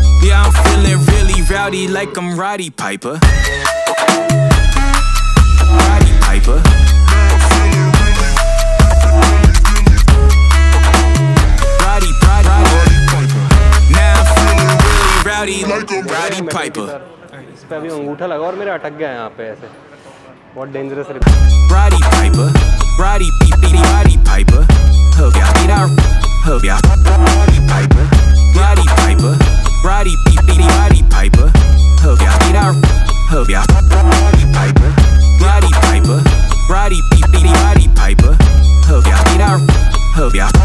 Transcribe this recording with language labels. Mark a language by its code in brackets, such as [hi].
[en] Yeah, I'm feeling really rowdy like I'm Roddy Piper. Roddy Piper. Roddy, Roddy, Roddy Piper. Now I'm feeling really rowdy like I'm Roddy Piper. [hi] इसपे अभी अंगूठा लगा और मेरा अटक गया यहाँ पे ऐसे. [en] What dangerous. Roddy Piper. Roddy, Roddy, Roddy Piper. Hope y'all get out. Hope y'all. Roddy Piper. Roddy Piper. Roddy Piper, Roddy Piper, hope y'all get out, hope y'all. Roddy Piper, Roddy Piper, Roddy Piper, Roddy Piper, hope y'all get out, hope y'all.